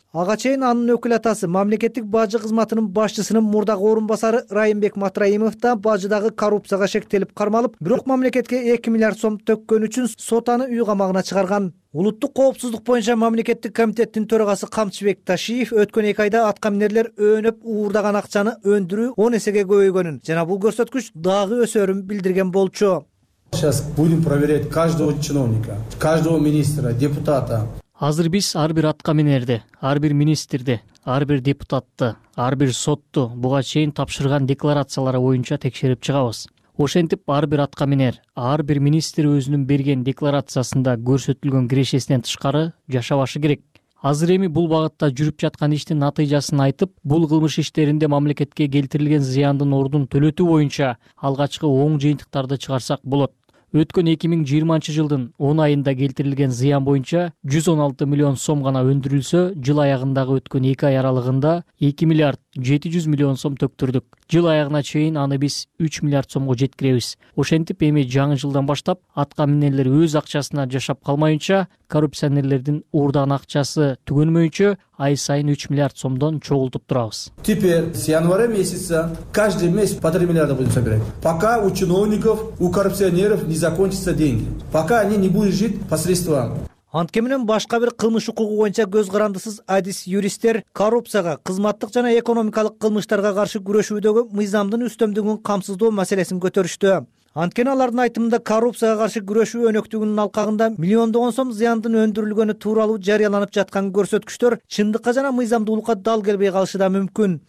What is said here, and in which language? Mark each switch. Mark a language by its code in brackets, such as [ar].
[ky] Ага чейин анын өкүл атасы мамлекеттик бажы кызматынын башчысынын мурдагы орун басары Райымбек Матраимов да бажыдагы коррупцияга шектелип кармалып, бирок мамлекетке 2 миллиард сом төккөн үчүн сот аны үй камагына чыгарган. Улуттук коопсуздук боюнча мамлекеттик комитеттин төрагасы Камчыбек Ташиев өткөн 2 айда аткаминерлер өөнөп уурдаган акчаны өндүрүү 10 эсеге көбөйгөнүн жана бул көрсөткүч дагы өсөрүн билдирген болчу. [ru] Сейчас будем проверять каждого чиновника, каждого министра, депутата. [ky] Азыр биз ар бир аткаминерди, ар бир министрди, ар бир депутатты, ар бир сотту буга чейин тапшырган декларациялары боюнча текшерип чыгабыз. Ошентип ар бир аткаминер, ар бир министр өзүнүн берген декларациясында көрсөтүлгөн кирешесинен тышкары жашабашы керек. Азыр эми бул багытта жүрүп жаткан иштин натыйжасын айтып, бул кылмыш иштеринде мамлекетке келтирилген зыяндын ордун төлөтүү боюнча алгачкы оң жыйынтыктарды чыгарсак болот. Өткөн 2020-жылдын 10 айында келтирилген зыян боюнча 116 миллион сом гана өндүрүлсө, жыл аягындагы өткөн 2 ай аралыгында 2 миллиард 700 миллион сом төктүрдүк. Жыл аягына чейин аны биз 3 миллиард сомго жеткиребиз. Ошентип эми жаңы жылдан баштап аткаминерлер өз акчасына жашап калмайынча, коррупционерлердин уурдаган акчасы түгөнмөйүнчө ай сайын 3 миллиард сомдон чогултуп турабыз. [ru] Теперь с января месяца каждый месяц по 3 миллиарда будем собирать. Пока у чиновников, у коррупционеров не закончатся деньги. Пока они не будут жить по средствам. [ky] Антке менен башка бир кылмыш укугу боюнча көз карандысыз адис юристтер коррупцияга, кызматтык жана экономикалык кылмыштарга каршы күрөшүүдөгү мыйзамдын үстөмдүгүн камсыздоо маселесин көтөрүштү. Анткени алардын айтымында коррупцияга каршы күрөшүү өнөктүгүнүн алкагында миллиондогон сом зыяндын өндүрүлгөнү тууралуу жарыяланып жаткан көрсөткүчтөр чындыкка жана мыйзамдуулукка дал келбей калышы да мүмкүн.